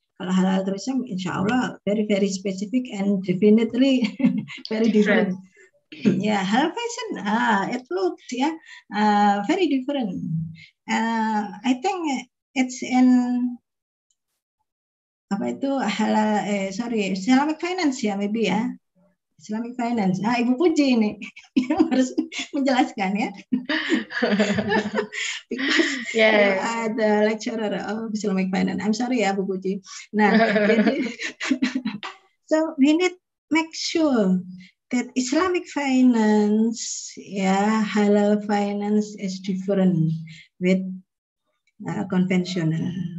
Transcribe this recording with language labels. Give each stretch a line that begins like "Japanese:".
English: Kalau halal tourism, insya Allah very very specific and definitely very different. Yeah, halal fashion, it looks, very different. I think it's in apa itu halal, Islamic finance, ya, maybe, ya, Islamic finance.
Indonesian: Ah, Ibu Puji ini yang harus menjelaskan, ya.
English: Because yes, you are the lecturer of Islamic finance. I'm sorry, ya, Ibu Puji. Nah, so we need make sure that Islamic finance, halal finance is different with conventional.